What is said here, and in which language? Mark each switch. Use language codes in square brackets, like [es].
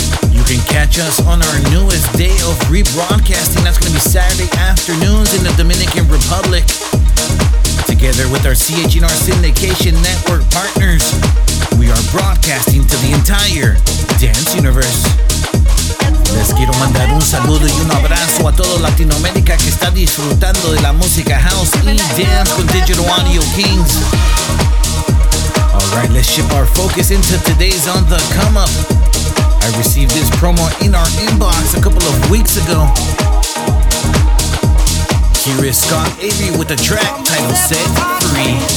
[en] You can catch us on our newest day of rebroadcasting. That's going to be Saturday afternoons in the Dominican Republic. Together with our CHNR syndication network partners, we are broadcasting to the entire dance universe. [es] Les quiero mandar un saludo y un abrazo a todo Latinoamérica que está disfrutando de la música house y dance con Digital Audio Kings. [en] Alright, let's shift our focus into today's On The Come Up. I received this promo in our inbox a couple of weeks ago. Here is Scott Avery with a track titled Set Free.